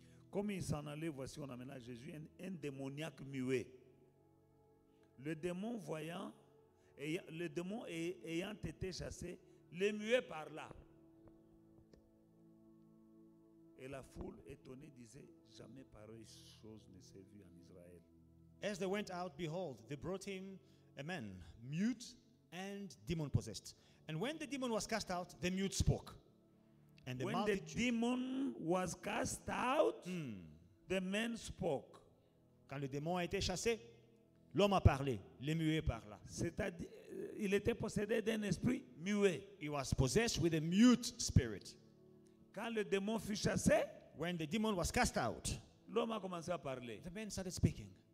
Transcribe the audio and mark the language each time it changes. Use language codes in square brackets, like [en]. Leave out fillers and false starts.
[fr] Comme il s'en allait, voici, on amena à Jésus un démoniaque muet. Le démon voyant, ayant été chassé, le muet parla. Et la foule étonnée disait, jamais pareille chose ne s'est vue en Israël. [en] As they went out, behold, they brought in a man, mute and demon-possessed. And when the demon was cast out, the mute spoke. And the multitude... When the demon was cast out, the man spoke. [fr] Quand le démon a été chassé, l'homme a parlé, le muet parla. C'est-à-dire, il était possédé d'un esprit muet. [en] He was possessed with a mute spirit. [fr] Quand le démon fut chassé, [en] when the demon was cast out, [fr] l'homme a commencé à parler. [en] The man started speaking.